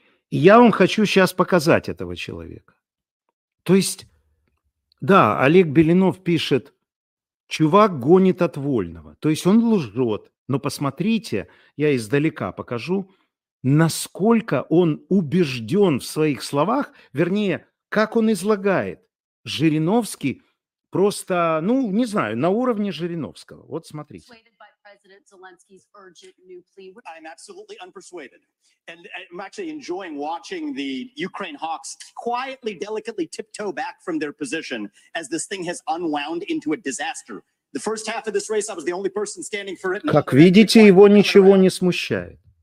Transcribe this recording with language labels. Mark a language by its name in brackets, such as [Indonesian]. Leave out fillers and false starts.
[Russian] И я вам хочу сейчас показать этого человека. То есть, да, Олег Белинов пишет, чувак гонит от вольного. То есть он лжет. Но посмотрите, я издалека покажу, насколько он убежден в своих словах, вернее, как он излагает. Жириновский просто, ну, не знаю, на уровне Жириновского. Вот смотрите. [English] I'm absolutely unpersuaded. And I'm actually enjoying watching the Ukraine hawks quietly, delicately tiptoe back from their position as this thing has unwound into a disaster. The first half of this race, I was the only person standing for it. [Russian] Как видите, его ничего не смущает.